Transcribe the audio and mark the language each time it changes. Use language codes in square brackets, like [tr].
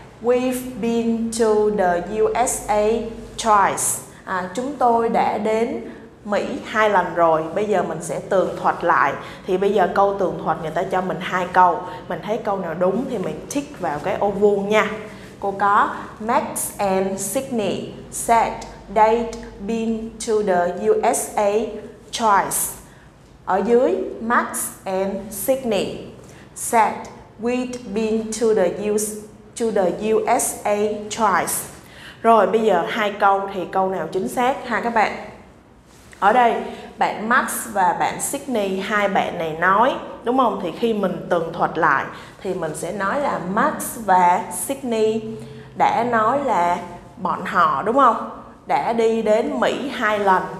[en] We've been to the USA twice. [vi] Chúng tôi đã đến Mỹ 2 lần rồi. Bây giờ mình sẽ tường thuật lại. Thì bây giờ câu tường thuật người ta cho mình 2 câu. Mình thấy câu nào đúng thì mình tick vào cái ô vuông nha. Cô có [en] Max and Sydney said they'd been to the USA twice. [vi] Ở dưới [en] Max and Sydney said we'd been to the USA twice. [vi] Rồi bây giờ hai câu thì câu nào chính xác ha các bạn? Ở đây bạn Max và bạn Sydney, hai bạn này nói đúng không? Thì khi mình tường thuật lại thì mình sẽ nói là Max và Sydney đã nói là bọn họ đúng không? Đã đi đến Mỹ 2 lần